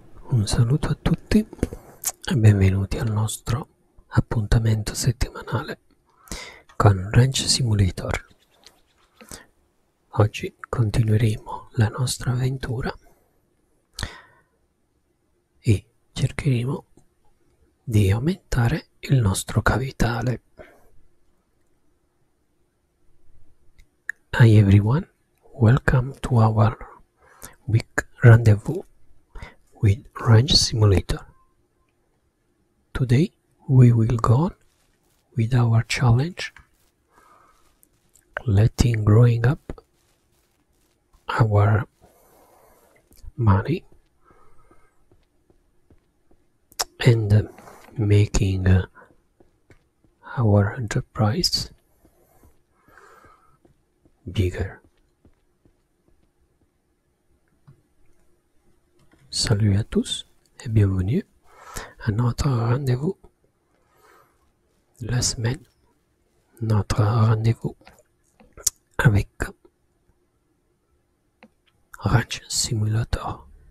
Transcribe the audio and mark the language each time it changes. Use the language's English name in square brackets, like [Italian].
[Italian] Un saluto a tutti e benvenuti al nostro appuntamento settimanale con Ranch Simulator. Oggi continueremo la nostra avventura e cercheremo di aumentare il nostro capitale. [English] Hi everyone, welcome to our week rendezvous with Ranch Simulator. Today we will go on with our challenge letting growing up our money and making our enterprise bigger. [French] Salut à tous et bienvenue à notre rendez-vous la semaine, notre rendez-vous avec Ranch Simulator.